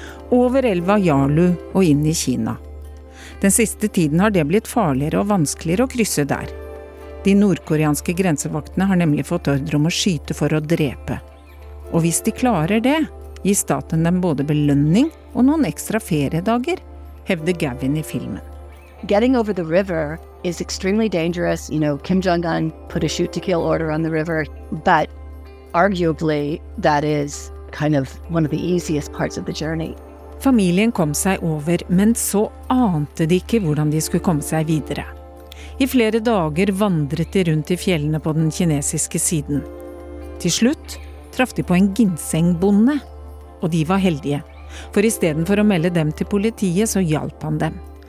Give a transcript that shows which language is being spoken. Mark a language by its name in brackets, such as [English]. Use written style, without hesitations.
[Norwegian] Over elva Yalu og inn i Kina. Den siste tiden har det blitt farligere og vanskeligere å krysse der. De nordkoreanske grensevaktene har nemlig fått ordre om å skyte for å drepe. Og hvis de klarer det, gir staten dem både belønning og noen ekstra feriedager, hevder Gavin i filmen. [English] Getting over the river is extremely dangerous. You know, Kim Jong-un put a shoot to kill order on the river, but arguably that is kind of one of the easiest parts of the journey. [Norwegian] Familien kom seg over, men så ante de ikke hvordan de skulle komme seg videre. I flere dager vandret de rundt i fjellene på den kinesiske siden. Til slutt traff de på en ginsengbonde, og de var heldige. For i stedet for å melde dem til politiet, så hjalp han dem.